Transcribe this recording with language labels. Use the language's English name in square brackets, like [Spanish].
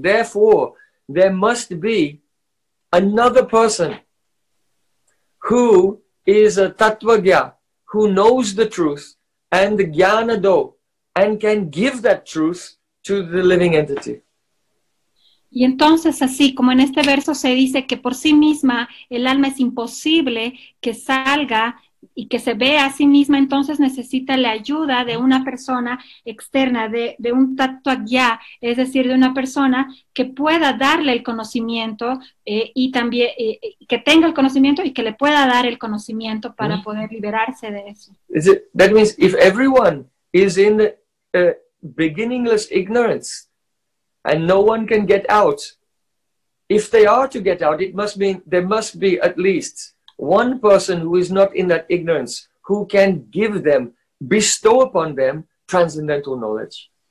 [English] Therefore, there must be another person who is a tatvagya, who knows the truth and the jnana do, and can give that truth to the living entity. [Spanish] Y entonces, así como en este verso se dice que por sí misma el alma es imposible que salga y que se vea a sí misma, entonces necesita la ayuda de una persona externa, de un tatvagya, es decir, de una persona que pueda darle el conocimiento y también que tenga el conocimiento y que le pueda dar el conocimiento para poder liberarse de eso. [English] That means if everyone is in beginningless ignorance and no one can get out, if they are to get out, it must mean there must be at least one person who is not in that ignorance, who can give them, bestow upon them, transcendental knowledge.